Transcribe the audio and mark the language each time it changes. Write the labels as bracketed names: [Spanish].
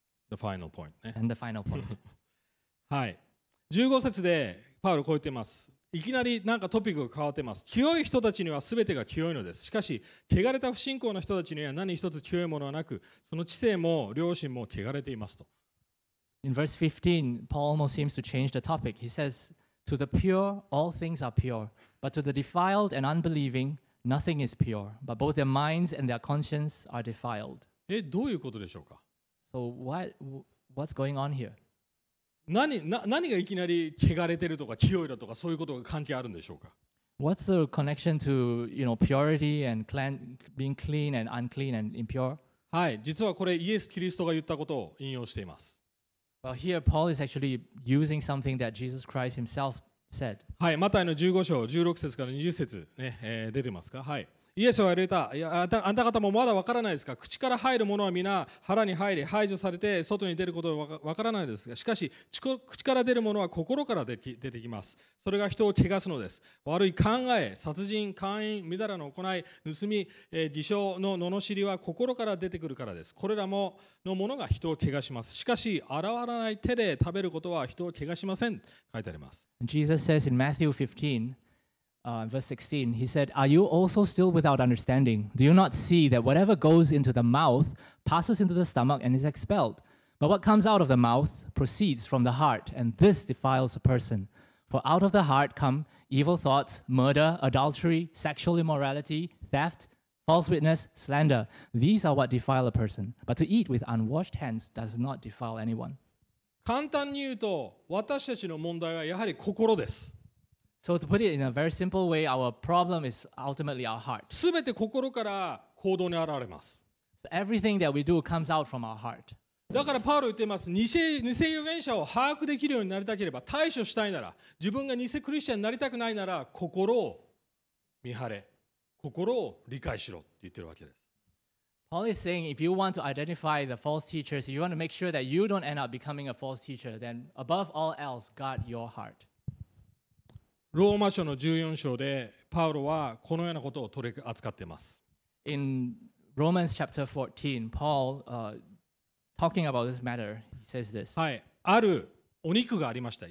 [English] The final point. And the final point. [Japanese] はい。 15節でパウロこう言っています。いきなりなんかトピックが変わってます。清い人たちには全てが清いのです。しかし、汚れた不信仰の人たちには何一つ清いものはなく、その知性も良心も汚れていますと。 [English] In verse 15, Paul almost seems to change the topic. He says, To the pure, all things are pure. But to the defiled and unbelieving, nothing is pure. But both their minds and their conscience are defiled. [Japanese] え、どういうことでしょうか? [English] So what's going on here? [Japanese] 何がいきなり汚れてるとか清いだとかそういうことが関係あるんでしょうか? [English] What's the connection to, you know, purity and clean, being clean and unclean and impure? [Japanese] はい、実はこれイエス・キリストが言ったことを引用しています。 [English] Well, here Paul is actually using something that Jesus Christ himself said. [Japanese] はい、マタイの15章16節から20節、ね出てますか?はい。イエスは言われた。あんた方もまだわからないですか。口から入るものは皆腹に入り排除されて外に出ることはわからないですが、しかし口から出るものは心から出てきます。それが人を汚すのです。悪い考え、殺人、姦淫、みだらの行い、盗み、自称の罵りは心から出てくるからです。これらのものが人を汚します。しかし洗わない手で食べることは人を汚しません。書いてあります。 [English] Jesus says in Matthew 15, verse 16, he said, "Are you also still without understanding? Do you not see that whatever goes into the mouth passes into the stomach and is expelled? But what comes out of the mouth proceeds from the heart, and this defiles a person. For out of the heart come evil thoughts, murder, adultery, sexual immorality, theft, false witness, slander. These are what defile a person. But to eat with unwashed hands does not defile anyone." [Japanese] 簡単に言うと、私たちの問題はやはり心です。 [English] So to put it in a very simple way, our problem is ultimately our heart. [Japanese] 全て心から行動に現れます。 [English] So everything that we do comes out from our heart. [Japanese] だからパウロ言っています。偽預言者を把握できるようになりたければ、対処したいなら、自分が偽クリスチャンになりたくないなら、心を見張れ、心を理解しろって言ってるわけです。 [English] Paul is saying, if you want to identify the false teachers, if you want to make sure that you don't end up becoming a false teacher, then above all else, guard your heart. [Japanese] ローマ書の14章でパウロはこのようなことを取り扱っています。 [English] In Romans chapter 14, Paul, talking about this matter, he says this. [Japanese] はい、あるお肉がありました。